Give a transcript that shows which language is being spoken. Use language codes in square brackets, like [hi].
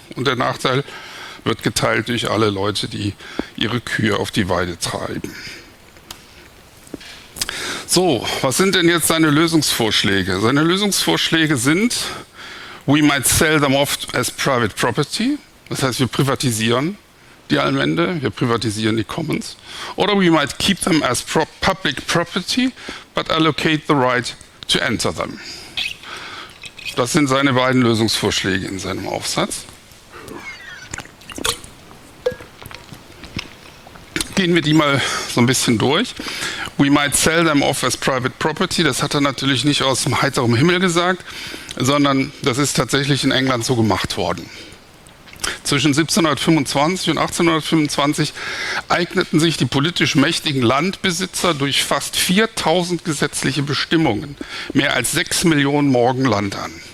[de] Und der Nachteil wird geteilt durch alle Leute, die ihre Kühe auf die Weide treiben. So, was sind denn jetzt seine Lösungsvorschläge? Seine Lösungsvorschläge sind: [en] "We might sell them off as private property." [de] Das heißt, wir privatisieren die Allmende, wir privatisieren die Commons. [en] "Oder we might keep them as public property, but allocate the right to enter them." [de] Das sind seine beiden Lösungsvorschläge in seinem Aufsatz. Gehen wir die mal so ein bisschen durch. [en] "We might sell them off as private property." [de] Das hat er natürlich nicht aus dem heiteren Himmel gesagt, sondern das ist tatsächlich in England so gemacht worden. Zwischen 1725 und 1825 eigneten sich die politisch mächtigen Landbesitzer durch fast 4000 gesetzliche Bestimmungen mehr als 6 Millionen Morgen Land an.